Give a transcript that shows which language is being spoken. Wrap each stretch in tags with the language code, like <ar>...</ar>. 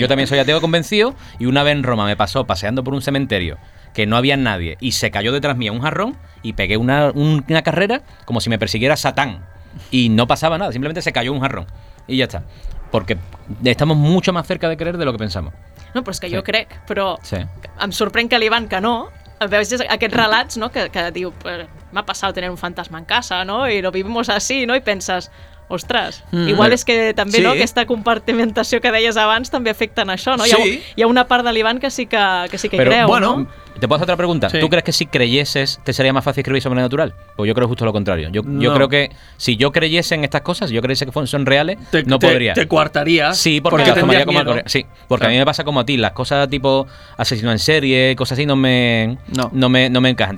<es>Yo también soy ateo convencido y una vez en Roma me pasó paseando por un cementerio que no había nadie y se cayó detrás mía un jarrón y pegué una carrera como si me persiguiera Satán. Y no pasaba nada, simplemente se cayó un jarrón. Y ya está. Porque estamos mucho más cerca de creer de lo que pensamos.</es> <ca>No, però és que jo crec, però em sorprèn que li van que no. Veus aquests relats, no? que diu, m'ha passat tenir un fantasma en casa, no? I</ca> <es>lo vivimos así,</es> <ca>no? I penses, ostres, igual és que també no, aquesta compartimentació que deies abans també afecta en això, no? Sí. Hi ha una part de l'Ivan que sí que però, creu, bueno, no?</ca> <es>Te puedo hacer otra pregunta. Sí. ¿Tú crees que si creyeses te sería más fácil escribir sobrenatural? Pues yo creo justo lo contrario. Yo creo que si yo creyese en estas cosas, si yo creyese que son reales, no podría. Te coartarías. Sí, porque las tomaría como algo. Sí, porque a mí me pasa como a ti. Las cosas tipo asesino en serie, cosas así, no me encajan.</es>